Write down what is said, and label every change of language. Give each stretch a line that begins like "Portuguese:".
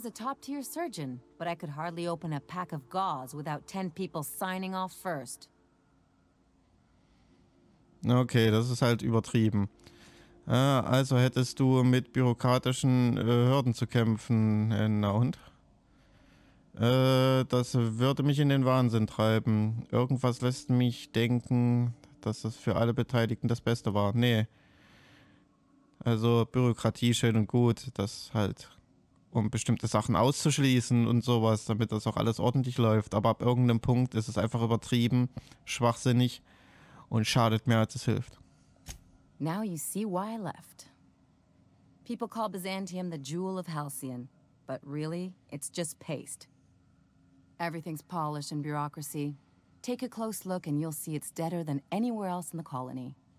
English: was a top-tier surgeon, but I could hardly open a pack of gauze without 10 people signing off first.
German: Okay, das ist halt übertrieben. Also hättest du mit bürokratischen Hürden zu kämpfen, na und? Das würde mich in den Wahnsinn treiben. Irgendwas lässt mich denken, dass das für alle Beteiligten das Beste war. Nee. Also Bürokratie schön und gut, das halt, um bestimmte Sachen auszuschließen und sowas, damit das auch alles ordentlich läuft. Aber ab irgendeinem Punkt ist es einfach übertrieben, schwachsinnig und schadet mehr, als es hilft.
English: Now you see why I left. People call Byzantium the jewel of Halcyon, but really, it's just paste. Everything's polished in bureaucracy. Take a close look and you'll see it's deader than anywhere else in the colony.